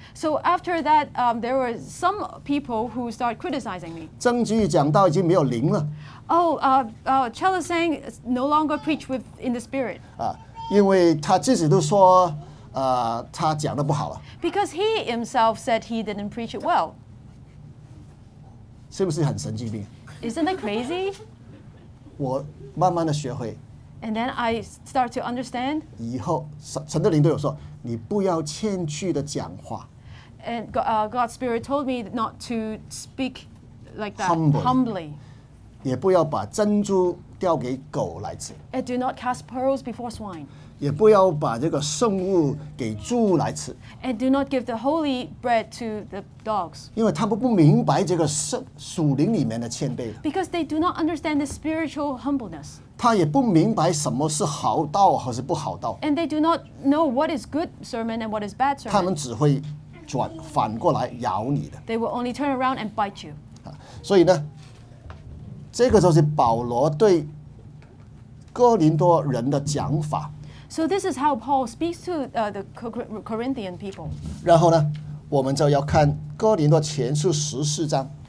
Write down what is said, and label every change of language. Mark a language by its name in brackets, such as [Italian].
[English] So after that, there were some people who started criticizing me. [Chinese] 曾菊讲到已经没有灵了。 [English] Chellis Tsang no longer preach with in the spirit. [Chinese] 因为他自己都说，他讲的不好了。 [English] Because he himself said he didn't preach it well. [Chinese] 是不是很神经病 [English] ？Isn't that crazy? [Chinese] 我慢慢的学会。 [English] And then I start to understand. [Chinese] 以后陈德林都有说，你不要谦虚的讲话。 [English] And God's Spirit told me not to speak like that humbly. [Chinese] 也不要把珍珠掉给狗来吃。 [English] And do not cast pearls before swine. [Chinese] 也不要把这个圣物给猪来吃。 [English] And do not give the holy bread to the dogs. [Chinese] 因为他们不明白这个属灵里面的谦卑。 [English] Because they do not understand the spiritual humbleness. [Chinese] 他也不明白什么是好道还是不好道。 [English] And they do not know what is good sermon and what is bad sermon. [Chinese] 他们只会反过来咬你的。 [English] They will only turn around and bite you. [Chinese] 所以呢，这个就是保罗对哥林多人的讲法。 [English] So this is how Paul speaks to the Corinthian people. [Chinese] 然后呢，我们就要看哥林多前书十四章。